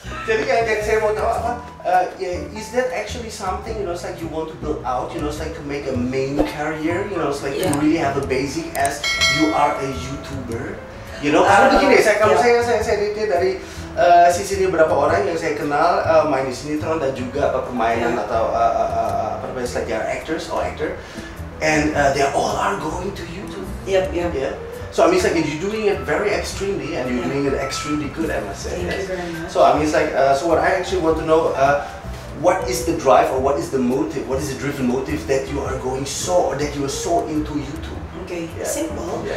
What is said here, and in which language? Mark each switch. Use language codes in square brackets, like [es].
[id] Jadi kayak saya mau tahu apa, [en] is that actually something, you know, it's like you want to build out, you know, it's like to make a main career, you know, it's like to really have a basic as you are a YouTuber? [id] You know, karena begini, saya lihat dari sisi ini beberapa orang yang saya kenal main di sinetron dan juga pemainan atau perbaikan sebagai [en] actors or actor, and they all are going to YouTube. Yep. So I mean, it's like you're doing it very extremely, and you're doing it extremely good, I must say. Thank you very much. So I mean, it's like so what I actually want to know, what is the drive or what is the motive, what is the driven motive that you are going so or that you are so into YouTube? Okay, simple.